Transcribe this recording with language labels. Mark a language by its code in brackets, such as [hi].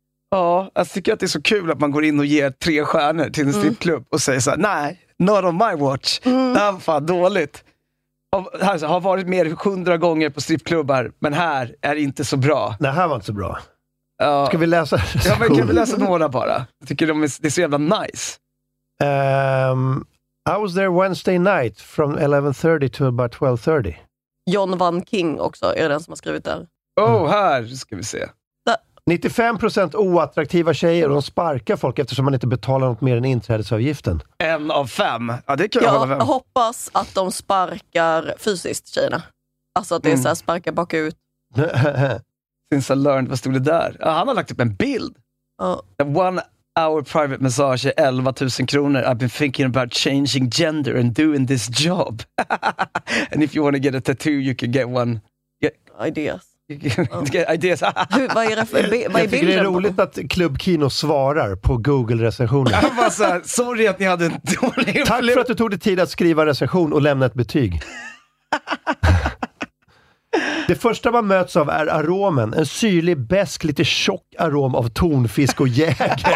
[sv] Ja, jag tycker att det är så kul att man går in och ger tre stjärnor till en strippklubb och säger så här: nej, [en] not on my watch. [sv] Det här var fan dåligt. Jag har varit mer 100 gånger på strippklubbar, men här är inte så bra. Det här var inte så bra. Ska vi läsa? Ja, men kan vi läsa några bara? Jag tycker det är så jävla nice. [en] I was there Wednesday night from 11:30 to about 12:30. [sv] John Van King också, är den som har skrivit där. Oh, här ska vi se. Där. 95% oattraktiva tjejer, de sparkar folk eftersom man inte betalar något mer än inträdesavgiften. En av fem. Ja, det kan jag vara fem. Hoppas att de sparkar fysiskt tjejerna. Alltså att det är så här sparka bakut. [en] Since I learned, [sv] vad stod det där? Ja, han har lagt upp en bild. [en] One hour private massage [sv] är 11 000 kronor. [en] I've been thinking about changing gender and doing this job. And if you want to get a tattoo, you can get one. Ideas. Ideas. [sv] Vad är jag tycker det är roligt att Club Kino svarar på Google-recensioner. Han bara så här, sorry att ni hade en dålig... Tack för att du tog dig tid att skriva en recension och lämna ett betyg. Det första man möts av är aromen. En syrlig, bäsk, lite tjock arom av tonfisk och jäger.